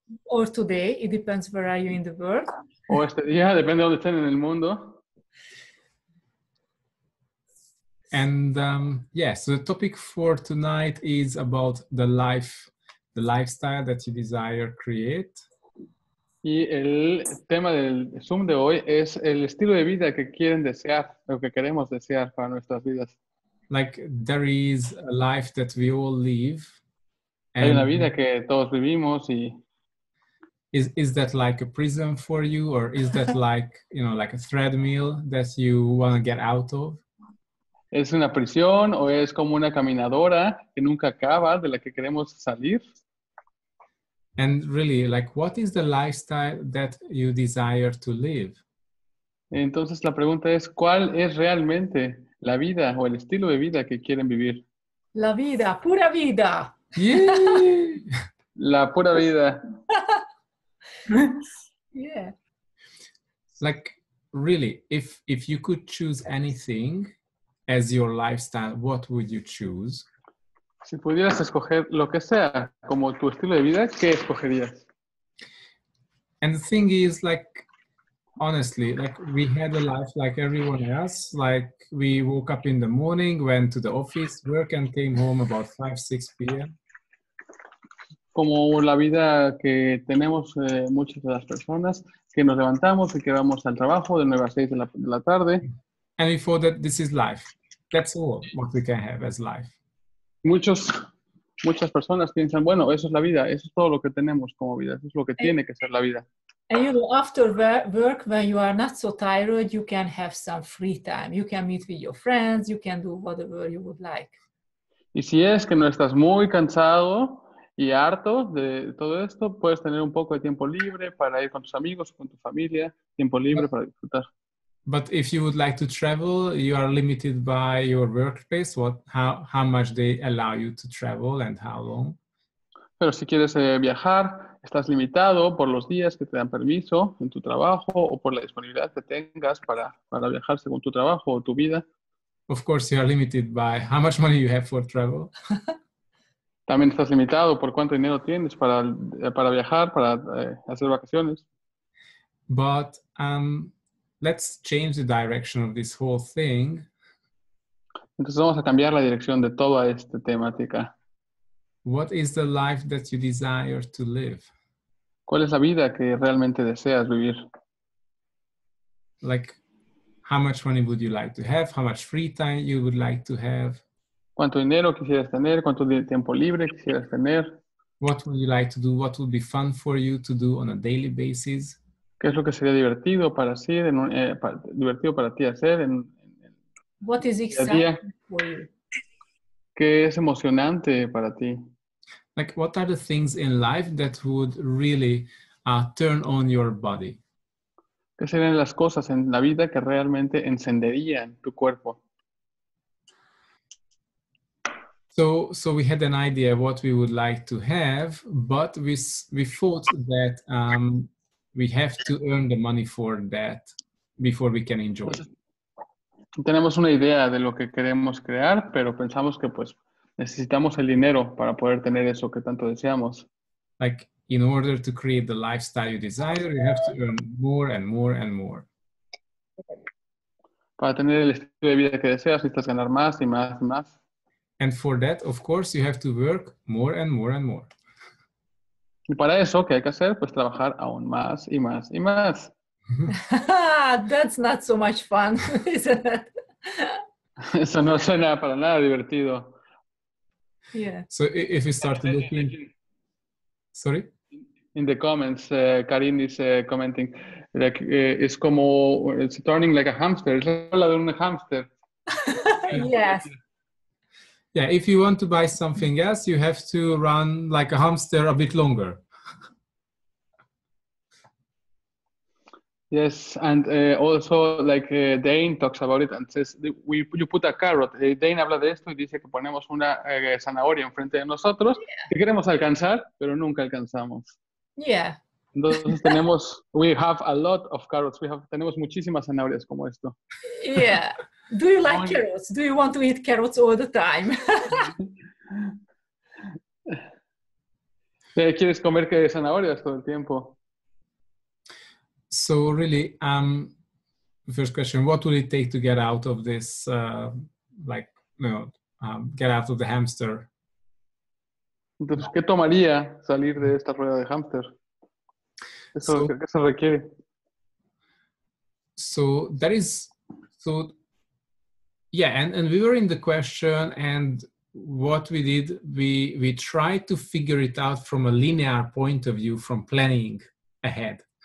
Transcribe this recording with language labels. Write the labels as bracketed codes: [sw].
[en] Or today, it depends where are you in the world. [es] O este día, depende donde estén en el mundo. [en] And so the topic for tonight is about the life, the lifestyle that you desire to create. [es] Y el tema del Zoom de hoy es el estilo de vida que quieren desear, lo que queremos desear para nuestras vidas. [en] Like there is a life that we all live. [es] Hay una vida que todos vivimos y [en] is that like a prison for you, or is that like, you know, like a treadmill that you want to get out of? [es] ¿Es una prisión o es como una caminadora que nunca acaba, de la que queremos salir? [en] And really, like, what is the lifestyle that you desire to live? [es] Entonces la pregunta es, ¿cuál es realmente la vida o el estilo de vida que quieren vivir? La vida, pura vida. [en] Yeah. [es] La pura vida. [en] Yeah. Like, really, if you could choose anything as your lifestyle, what would you choose? [es] Si pudieras escoger lo que sea como tu estilo de vida, ¿qué escogerías? [en] And the thing is, like, honestly, like, we had a life like everyone else. Like, we woke up in the morning, went to the office, work, and came home about 5, 6 p.m. [es] Como la vida que tenemos muchas de las personas, que nos levantamos y que vamos al trabajo de 9 a 6 de la tarde. [en] And we thought that this is life. That's all what we can have as life. [es] Muchas personas piensan, bueno, eso es la vida, eso es todo lo que tenemos como vida, eso es lo que tiene que ser la vida. [en] And you know, after work, when you are not so tired, you can have some free time. You can meet with your friends, you can do whatever you would like. [es] Y si es que no estás muy cansado y harto de todo esto, puedes tener un poco de tiempo libre para ir con tus amigos o con tu familia, tiempo libre para disfrutar. [en] But if you would like to travel, you are limited by your workplace. How much they allow you to travel and how long? [es] Pero si quieres viajar, estás limitado por los días que te dan permiso en tu trabajo o por la disponibilidad que tengas para viajar según tu trabajo o tu vida. [en] Of course, you are limited by how much money you have for travel. [es] También estás limitado por cuánto dinero tienes para viajar, para hacer vacaciones. [en] But let's change the direction of this whole thing. [es] Entonces vamos a cambiar la dirección de toda esta temática. [en] What is the life that you desire to live? [es] ¿Cuál es la vida que realmente deseas vivir? [en] Like, how much money would you like to have? How much free time you would like to have? [es] ¿Cuánto dinero quisieras tener? ¿Cuánto tiempo libre quisieras tener? [en] What would you like to do? What would be fun for you to do on a daily basis? [es] ¿Qué es lo que sería divertido para sí, divertido para ti hacer en [en] what is exciting día? For you? [es] ¿Qué es emocionante para ti? [en] Like, what are the things in life that would really turn on your body? [es] ¿Qué serían las cosas en la vida que realmente encenderían tu cuerpo? [en] So we had an idea of what we would like to have, but we thought that we have to earn the money for that before we can enjoy it. [es] Tenemos una idea de lo que queremos crear, pero pensamos que pues necesitamos el dinero para poder tener eso que tanto deseamos. [en] Like, in order to create the lifestyle you desire, you have to earn more and more and more. [es] Para tener el estilo de vida que deseas, necesitas ganar más y más y más. [en] And for that, of course, you have to work more and more and more. [es] Y para eso, ¿qué hay que hacer? Pues trabajar aún más y más y más. [en] That's not so much fun, isn't it? [es] Eso no suena para nada divertido. [en] Yeah. So if you start looking... Sorry? In the comments, Karin is commenting. It's como... It's turning like a hamster. [es] Es la de un hamster. [en] Yes. Yeah, if you want to buy something else, you have to run like a hamster a bit longer. Yes, and also like Dane talks about it and says, you put a carrot. [es] Dane habla de esto y dice que ponemos una zanahoria enfrente de nosotros que queremos alcanzar, pero nunca alcanzamos. [en] Yeah. [es] Entonces tenemos, [en] we have a lot of carrots. [es] Tenemos muchísimas zanahorias como esto. [en] Yeah. Do you like carrots? Do you want to eat carrots all the time? [es] ¿Quieres comer zanahorias todo el tiempo? [en] So really, first question, what would it take to get out of this, get out of the hamster? [es] Entonces, ¿qué tomaría salir de esta rueda de hámster? Eso que se requiere. [en] So that is, so yeah, and we were in the question, and what we did, we tried to figure it out from a linear point of view, from planning ahead.